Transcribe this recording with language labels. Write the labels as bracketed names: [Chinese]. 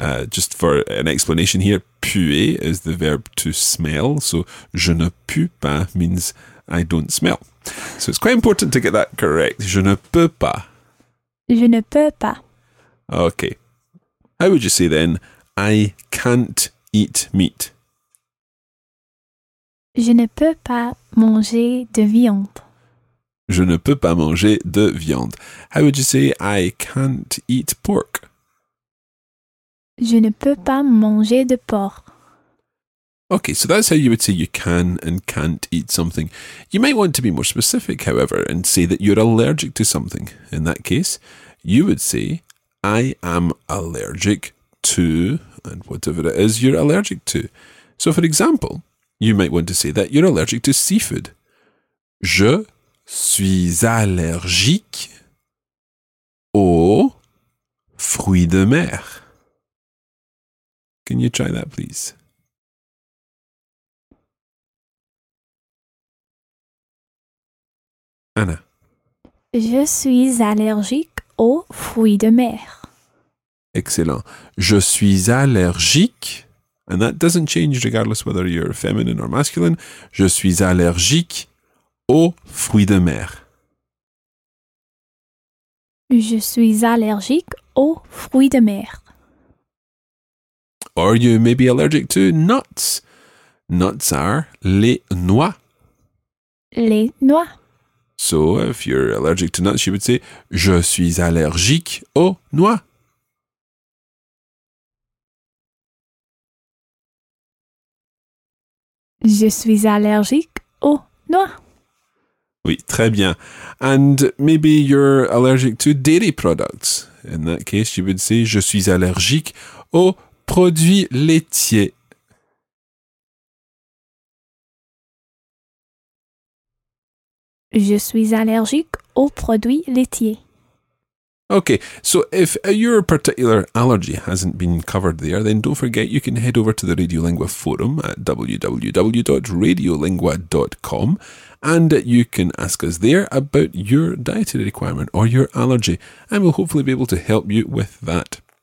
[English] Just for an explanation here, puer is the verb to smell. So, [French] je ne peux pas [English] means I don't smell. So, it's quite important to get that correct. [French] Je ne peux pas. Je ne peux pas. [English] Okay. How would you say then, I can't eat meat? [French] Je ne peux pas manger de viande. Je ne peux pas manger de viande. [English] How would you say, I can't eat pork? [French] Je ne peux pas manger de porc. [English] Okay, so that's how you would say you can and can't eat something. You might want to be more specific, however, and say that you're allergic to something. In that case, you would say, I am allergic to, and whatever it is you're allergic to. So, for example, you might want to say that you're allergic to seafood. [French] Je suis allergique aux fruits de mer. [English] Can you try that, please? Anna. [French] Je suis allergique aux fruits de mer. Excellent. Je suis allergique. [English] And that doesn't change regardless whether you're feminine or masculine. [French] Je suis allergique aux fruits de mer. Je suis allergique aux fruits de mer. [English] Or you may be allergic to nuts. Nuts are les noix. [French] Les noix. [English] So if you're allergic to nuts, you would say, [French] je suis allergique aux noix. Je suis allergique aux noix. Oui, très bien. [English] And maybe you're allergic to dairy products. In that case, you would say, [French] je suis allergique aux produits laitiers. Je suis allergique aux produits laitiers. [English] Okay, so if your particular allergy hasn't been covered there, then don't forget you can head over to the Radiolingua forum at www.radiolingua.com and you can ask us there about your dietary requirement or your allergy, and we'll hopefully be able to help you with that.